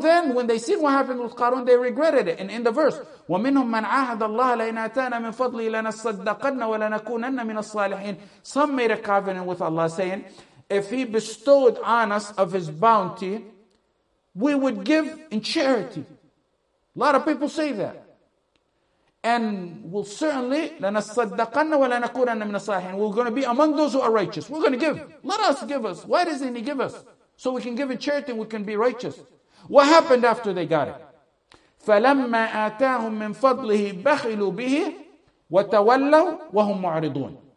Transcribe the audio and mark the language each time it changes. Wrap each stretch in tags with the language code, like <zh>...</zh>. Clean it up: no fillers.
<en>Then, when they seen what happened with Qarun, they regretted it. And in the verse,</en> <ar>وَمِنْهُمْ مَنْ عَاهَدَ اللَّهَ لَيْنَ أَتَانَا مِنْ فَضْلِهِ لَنَصَّدَّقَنَّ وَلَنَكُونَنَّ مِنَ الصَّالِحِينَ.</ar> <en>Some made a covenant with Allah saying, if he bestowed on us of his bounty, we would give in charity. A lot of people say that. And we'll certainly,</en> <ar>لَنَصَّدَّقَنَّ وَلَنَكُونَنَّ مِنَ الصَّالِحِينَ.</ar> <en>We're going to be among those who are righteous. We're going to give. Let us give us. Why doesn't he give us? So we can give in charity and we can be righteous. What happened after they got it?</en> <ar>فَلَمَّا آتَاهُم مِّن فَضْلِهِ بَخِلُوا بِهِ وَتَوَلَّوا وَهُمْ مُعْرِضُونَ.</ar>